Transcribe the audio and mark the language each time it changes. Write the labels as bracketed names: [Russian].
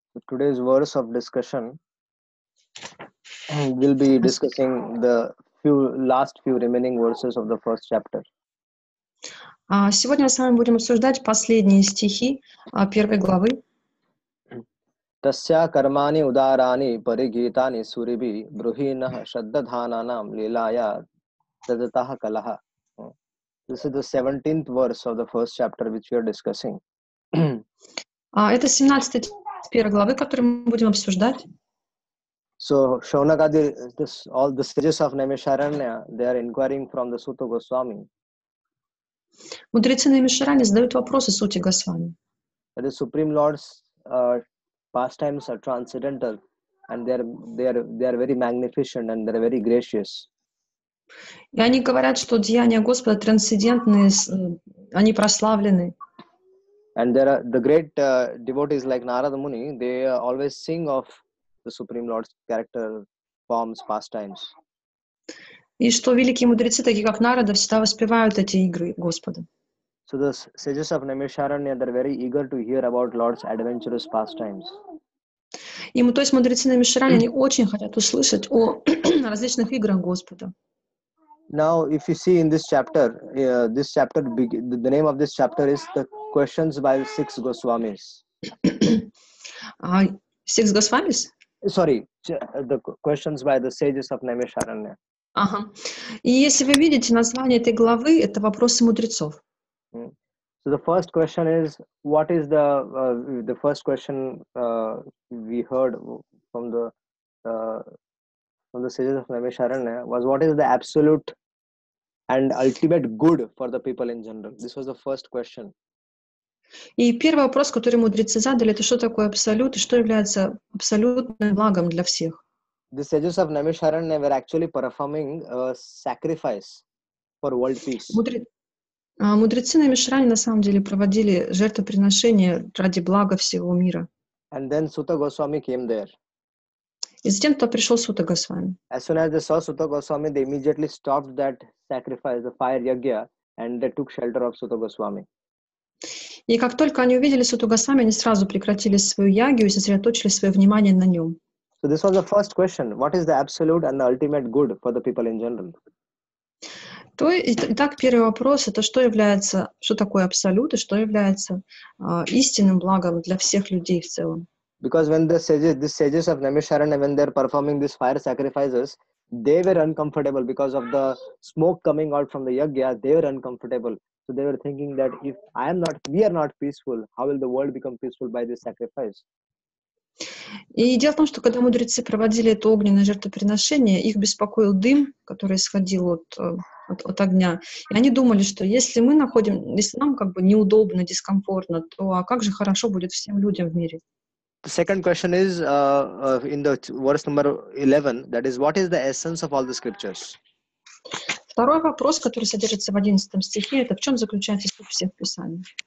[English] Today's verse of discussion, we'll be discussing the last few remaining verses of the first chapter. [Russian] Сегодня мы с вами будем обсуждать последние стихи первой главы. [Sanskrit] Тасья кармани ударани паригитани суриби брухина шаддаданам лилая таддатаха калаха. [English] This is the 17th verse of the first chapter which we are discussing. [Russian] Это 17-й первой главы, который мы будем обсуждать. [English] So Shaunakadi, all the sages of Naimisharanya, they are inquiring from the Suta Goswami. [Russian] Мудрецы Наймишарани задают вопросы сути Госвами. [English] The Supreme Lord's pastimes are transcendental and they are very magnificent and they are very gracious. [Russian] И они говорят, что деяния Господа трансцендентные, они прославлены. [English] And there are the great devotees like Narada Muni, they always sing of the Supreme Lord's character, forms, pastimes. [Russian] И что великие мудрецы, такие как Нарада, всегда воспевают эти игры Господа. [English] So the sages of Naimisharanya, they're very eager to hear about Lord's adventurous pastimes. [Russian] И мы, то есть мудрецы на Мишаране, они очень хотят услышать о различных играх Господа. [English] Now, if you see in this chapter, the name of this chapter is the questions by six Goswamis. Six Goswamis? Sorry, the questions by the sages of Naimisharanya. [Russian] Ага. И если вы видите название этой главы, это вопросы мудрецов. [English] So the first question is, what is the first question we heard from the sages of Naimisharanya was what is the absolute and ultimate good for the people in general? This was the first question. [Russian] И первый вопрос, который мудрецы задали, это что такое абсолют и что является абсолютным благом для всех? [English] The sages of Naimisharanya were actually performing a sacrifice for world peace. [Russian] Мудрецы Наимишарани на самом деле проводили жертвоприношение ради блага всего мира. [English] And then Сута Госвами came there. [Russian] И затем кто пришел Сута Госвами. [English] As soon as they saw Сута Госвами, they immediately stopped that sacrifice, the fire yagya, and they took shelter of Сута Госвами. [Russian] И как только они увидели Суту Госвами, они сразу прекратили свою ягью и сосредоточили свое внимание на нем. [English] So this was the first question. What is the absolute and the ultimate good for the people in general? [Russian] То и так первый вопрос это что является, что такое абсолют и что является истинным благом для всех людей в целом. [English] Because when the sages of Naimisharanya, when they're performing these fire sacrifices, they were uncomfortable because of the smoke coming out from the yagya, they were uncomfortable. So they were thinking that if we are not peaceful, how will the world become peaceful by this sacrifice? [Russian] И дело в том, что когда мудрецы проводили это огненное жертвоприношение, их беспокоил дым, который исходил от огня. И они думали, что если нам как бы неудобно, дискомфортно, то а как же хорошо будет всем людям в мире? [English] The second question is in the verse number 11, that is, what is the essence of all the scriptures? [Russian] Второй вопрос, который содержится в 11 стихе, это в чем заключается суть всех писаний?